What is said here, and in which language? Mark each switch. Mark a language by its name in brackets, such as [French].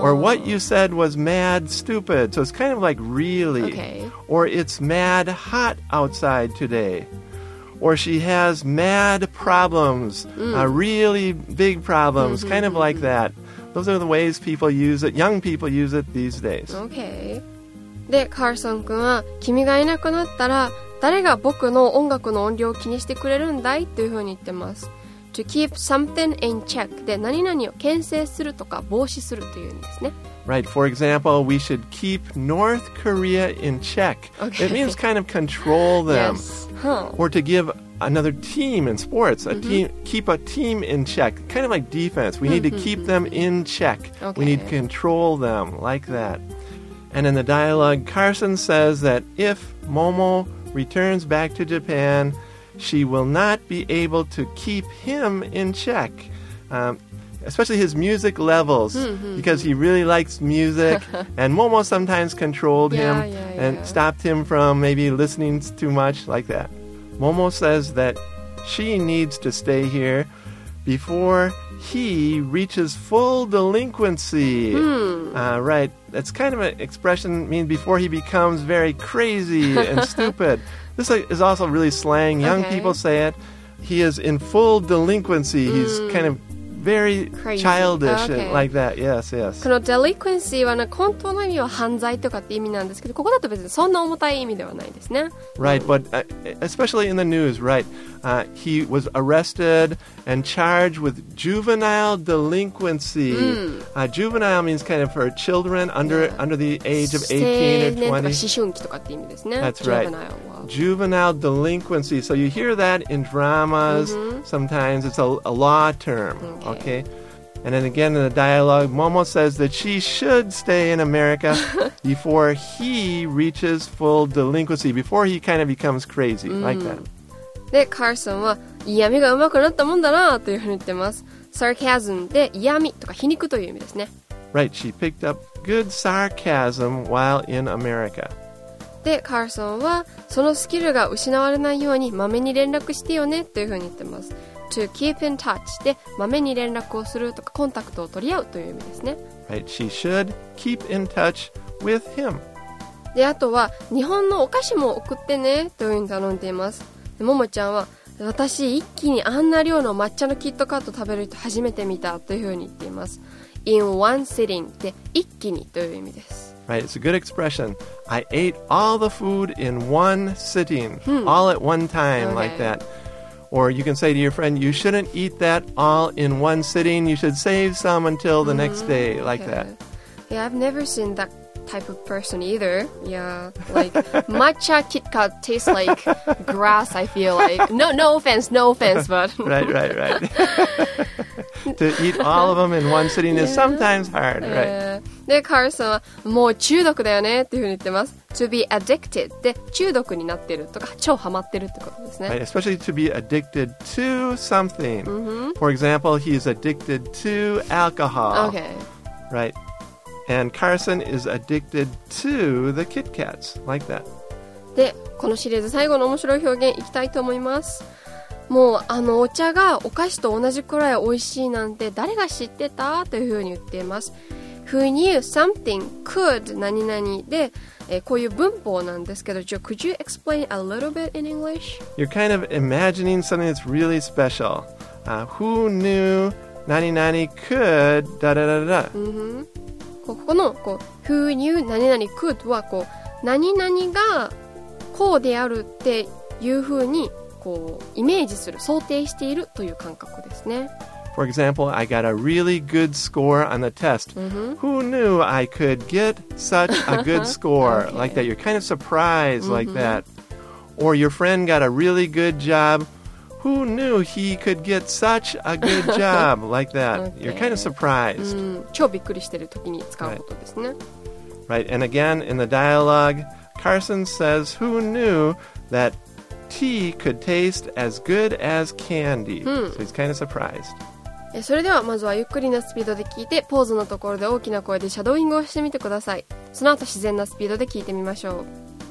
[English] Or what you said was mad stupid. So it's kind of like really. Okay. Or it's mad hot outside today. Or she has mad problems, really big problems, kind of like that. Those are the ways people use it, young people use it these days. Okay. [Japanese] で、カールソン君は、君がいなくなったら、誰が僕の音楽の音量を気にしてくれるんだいというふうに言ってます。 [English] To keep something in check. [Japanese] で、何々を牽制するとか防止するというんですね。 [English] Right, for example, we should keep North Korea in check. Okay. It means kind of control them. Yes. Or to give another team in sports, a team, keep a team in check. Kind of like defense. We need to keep them in check. Okay. We need to control them like that. And in the dialogue, Carson says that if Momo returns back to Japan, she will not be able to keep him in check. Especially his music levels, because he really likes music, and Momo sometimes controlled him and stopped him from maybe listening too much, like that. Momo says that she needs to stay here before he reaches full delinquency. Right, that's kind of an expression, mean before he becomes very crazy and stupid. This is also really slang. Young people say it. He is in full delinquency. He's kind of... Very crazy. Childish, okay. like that. Yes, yes. [Japanese] この delinquency はね、本当の意味は犯罪とかって意味なんですけど、ここだと別にそんな重たい意味ではないですね。 [English] Right, but especially in the news, right? He was arrested and charged with juvenile delinquency. Juvenile means kind of for children under the age of 18 or 20. [Japanese] 青年とか思春期とかって意味ですね。 [English] That's right. Juvenile delinquency. So you hear that in dramas sometimes. It's a law term. Okay. And then again in the dialogue, Momo says that she should stay in America before he reaches full delinquency, before he kind of becomes crazy, like that. [Japanese] で、カールソンは嫌味が上手くなったもんだなというふうに言ってます。 Sarcasm で嫌味とか皮肉という意味ですね。 [English] Right, she picked up good sarcasm while in America. [Japanese] で、カールソンはそのスキルが失われないようにマメに連絡してよねというふうに言ってます。 [English] To keep in touch [Japanese] で豆に連絡をするとかコンタクトを取り合うという意味ですね。 [English] Right, she should keep in touch with him. [Japanese] であとは日本のお菓子も送ってねというふうに頼んでいます。でももちゃんは私一気にあんな量の抹茶のキットカット食べる人初めて見たというふうに言っています。 [English] In one sitting [Japanese] で一気にという意味です。 [English] Right, it's a good expression. I ate all the food in one sitting, all at one time, like that. Or you can say to your friend, you shouldn't eat that all in one sitting. You should save some until the next day, like that. Yeah, I've never seen that type of person either. Yeah, like matcha Kit Kat tastes like grass, I feel like. No offense, but... right. To eat all of them in one sitting is sometimes hard, right? [Japanese] で、カールさんはもう中毒だよねっていうふうに言ってます。 [English] To be addicted [Japanese] で中毒になってるとか超ハマってるってことですね。 [English] Right, especially to be addicted to something.、Mm-hmm. For example, he is addicted to alcohol. Okay. Right. And Carson is addicted to the Kit Kats. Like that. [Japanese] で、このシリーズ最後の面白い表現いきたいと思います。もうあのお茶がお菓子と同じくらい美味しいなんて誰が知ってたというふうに言っています。 [English] Who knew something could [Japanese] 何々で、こういう文法なんですけど、 [English] could you explain a little bit in English? You're kind of imagining something that's really special. Who knew 何々 could da da da da. [Japanese] ここのこう [English] Who knew [Japanese] 何々 could はこう何々がこうであるっていうふうにこうイメージする、想定しているという感覚ですね。 [English] For example, I got a really good score on the test.、Mm-hmm. Who knew I could get such a good score? 、okay. Like that, you're kind of surprised、mm-hmm. like that. Or your friend got a really good job. Who knew he could get such a good job? like that,、okay. you're kind of surprised.、 [Japanese] 超びっくりしてる時に使うことですね。 [English] Right, and again, in the dialogue, Carson says, who knew that tea could taste as good as candy?、So he's kind of surprised. [Japanese] それではまずはゆっくりなスピードで聞いてポーズのところで大きな声でシャドーイングをしてみてください。その後自然なスピードで聞いてみましょう。